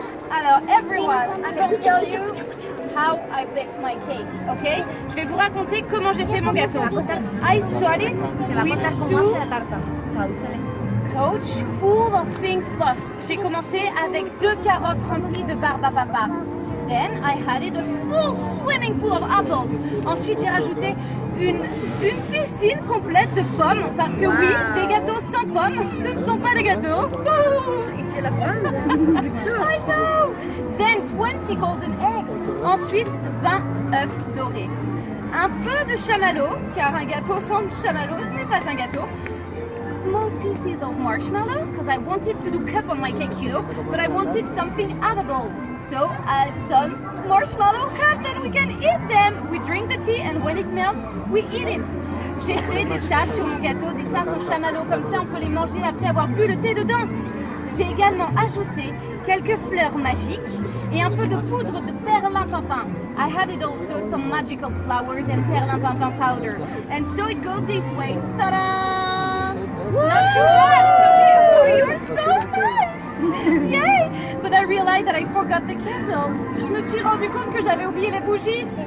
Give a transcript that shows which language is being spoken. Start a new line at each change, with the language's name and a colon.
English: Alors, everyone, I'm going to tell you how I baked my cake, okay?
French: Je vais vous raconter comment j'ai fait mon gâteau.
English: I started with two coach full of pink floss.
French: J'ai commencé avec deux carrosses remplies de barbe à papa.
English: Then I added a full swimming pool of apples.
French: Ensuite, j'ai rajouté une piscine complète de pommes parce que oui, des gâteaux sans pommes, ce ne sont pas des gâteaux.
English: I know. Then 20 golden eggs.
French: Ensuite, 20 œufs dorés. Un peu de chamallow, car un gâteau sans chamallow, ce n'est pas un gâteau.
English: Small pieces of marshmallow, because I wanted to do cup on my cake, you know, but I wanted something edible. So I've done marshmallow cup, then we can eat them. We drink the tea, and when it melts, we eat it.
French: J'ai fait des tasses sur mon gâteau, des tasses en chamallow, comme ça on peut les manger après avoir bu le thé dedans. J'ai également ajouté quelques fleurs magiques et un peu de poudre de perlimpinpin.
English: I added also some magical flowers and perlimpinpin powder. And so it goes this way. Ta-da! Woo! Not too bad! You are so nice! Yay! But I realized that I forgot the candles.
French: Je me suis rendu compte que j'avais oublié les bougies.